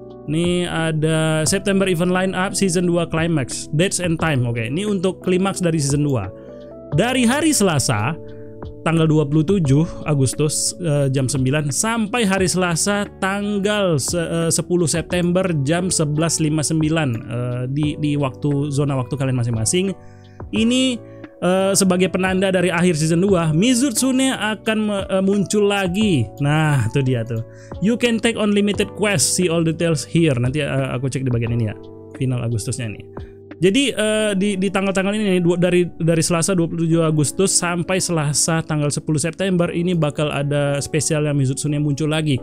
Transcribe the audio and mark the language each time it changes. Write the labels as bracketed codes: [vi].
[id] Ini ada [en] September event lineup season 2 climax dates and time. [id] Oke, ini untuk klimaks dari season 2. Dari hari Selasa tanggal 27 Agustus jam 9 sampai hari Selasa tanggal 10 September jam 11.59 di waktu zona waktu kalian masing-masing. Ini sebagai penanda dari akhir season 2, Mizutsune akan muncul lagi. Nah, itu dia tuh. [en] You can take unlimited quests, see all details here. [id] Nanti aku cek di bagian ini ya, final Agustusnya nih. Jadi di tanggal-tanggal ini nih, dari Selasa 27 Agustus sampai Selasa tanggal 10 September, ini bakal ada spesial yang Mizutsune muncul lagi.